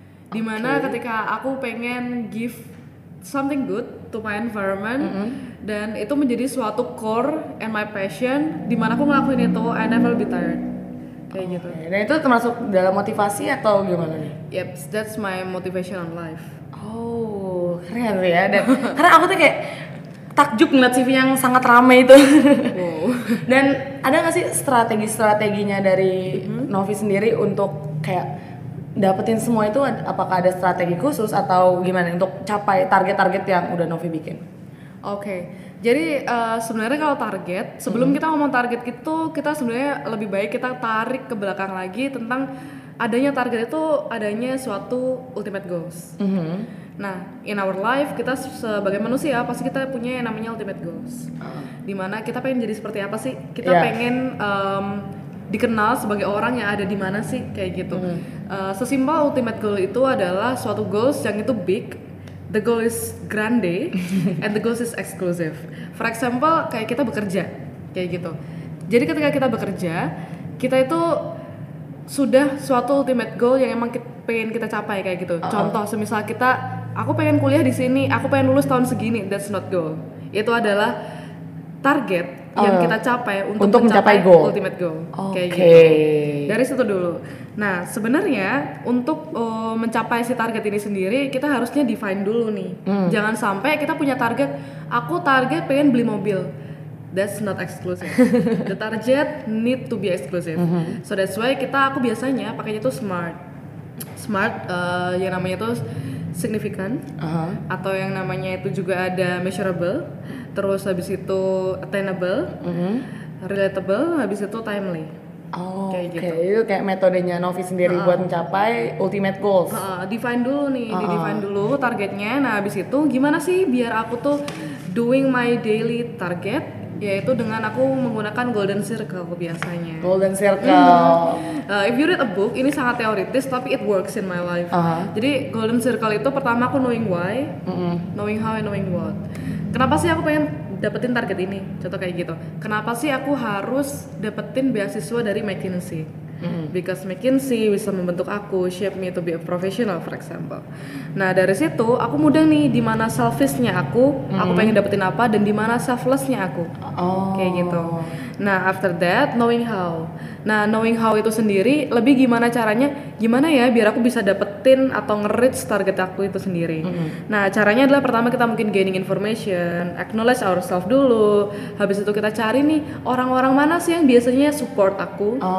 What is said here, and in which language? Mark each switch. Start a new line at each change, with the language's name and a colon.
Indonesian: Dimana ketika aku pengen
English: give something good to my environment
Indonesian: dan itu menjadi suatu
English: core and my passion,
Indonesian: dimana aku ngelakuin itu,
English: I never be tired.
Indonesian: Kayak gitu. Nah itu termasuk dalam motivasi atau gimana nih?
English: Yep, that's my motivation on life.
Indonesian: Oh, keren tuh ya. Dan karena aku tuh kayak takjub ngeliat CV yang sangat ramai itu. Wow. Dan ada gak sih strateginya dari Novi sendiri untuk kayak dapetin semua itu? Apakah ada strategi khusus atau gimana untuk capai target-target yang udah Novi bikin? Oke, jadi sebenarnya kalau target, sebelum kita ngomong target gitu, kita sebenarnya lebih baik kita tarik ke belakang lagi tentang adanya target itu adanya suatu ultimate goals. Nah,
English: in our life
Indonesian: kita sebagai manusia pasti kita punya yang namanya ultimate goals. Dimana kita pengen jadi seperti apa sih? Kita pengen dikenal sebagai orang yang ada di mana sih kayak gitu. Sesimpel ultimate goal itu adalah suatu goals yang itu big.
English: The goal is grande and the goal is exclusive. For example,
Indonesian: kayak kita bekerja, kayak gitu. Jadi ketika kita bekerja, kita itu sudah suatu ultimate goal yang emang pengen kita capai kayak gitu. Contoh, semisal kita, aku pengen kuliah di sini, aku pengen lulus tahun segini,
English: that's not goal.
Indonesian: Itu adalah target yang kita capai untuk mencapai goal.
English: Ultimate goal. Okay.
Indonesian: Kayak gitu. Dari situ dulu. Nah, sebenarnya untuk mencapai si target ini sendiri, kita harusnya define dulu nih. Jangan sampai kita punya target, aku target pengen beli mobil.
English: That's not exclusive. The target need to be exclusive. So that's why
Indonesian: aku biasanya pakainya tuh SMART. SMART yang namanya tuh significant, atau yang namanya itu juga ada measurable, terus habis itu attainable, relatable, habis itu timely. Kayak gitu. Itu kayak metodenya Novi sendiri buat mencapai ultimate goals. Define dulu nih, di-define dulu targetnya. Nah, habis itu gimana sih biar aku tuh
English: doing my daily target,
Indonesian: yaitu dengan aku menggunakan golden circle biasanya.
English: Golden circle. If you read a book,
Indonesian: ini sangat teoritis tapi
English: it works in my life. Jadi golden circle
Indonesian: itu pertama aku
English: knowing why, knowing how and knowing what.
Indonesian: Kenapa sih aku pengen dapetin target ini? Contoh kayak gitu. Kenapa sih aku harus dapetin beasiswa dari McKinsey?
English: Because McKinsey
Indonesian: bisa membentuk aku,
English: shape me to be a professional, for example.
Indonesian: Nah, dari situ aku mudah nih di mana selfish-nya aku, aku pengen dapetin apa dan di mana selfless-nya aku. Kayak gitu.
English: Nah, after that knowing how.
Indonesian: Nah, knowing how itu sendiri lebih gimana caranya? Gimana ya biar aku bisa dapetin atau nge-reach target aku itu sendiri. Nah, caranya adalah pertama kita mungkin
English: gaining information, acknowledge ourselves
Indonesian: dulu. Habis itu kita cari nih orang-orang mana sih yang biasanya support aku.